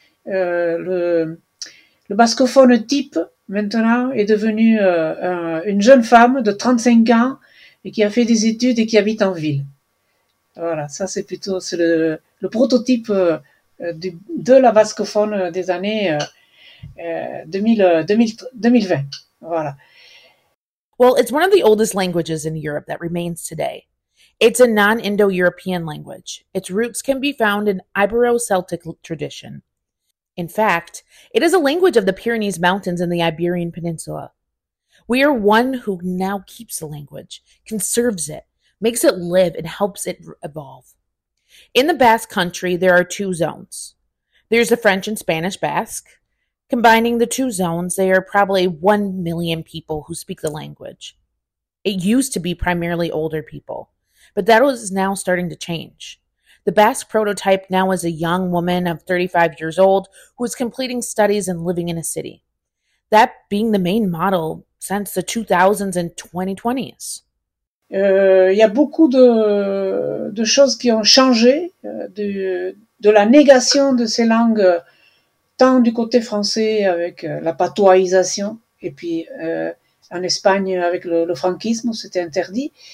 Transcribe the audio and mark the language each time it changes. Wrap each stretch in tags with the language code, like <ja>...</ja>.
<fr>Le bascophone type maintenant est devenu une jeune femme de 35 ans et qui a fait des études et qui habite en ville. Voilà, ça c'est le prototype de la bascophone des années 2020. Voilà.</fr> <en>Well, it's one of the oldest languages in Europe that remains today. It's a non-Indo-European language. Its roots can be found in Ibero-Celtic tradition. In fact, it is a language of the Pyrenees Mountains and the Iberian Peninsula. We are one who now keeps the language, conserves it, makes it live, and helps it evolve. In the Basque country, there are two zones. There's the French and Spanish Basque. Combining the two zones, there are probably 1 million people who speak the language. It used to be primarily older people, but that is now starting to change. The Basque prototype now is a young woman of 35 years old who is completing studies and living in a city. That being the main model since the 2000s and 2020s.</en> <fr>Il y a beaucoup de choses qui ont changé de la négation de ces langues, tant du côté français avec la patoisation, et puis en Espagne avec le franquisme, c'était interdit.</fr>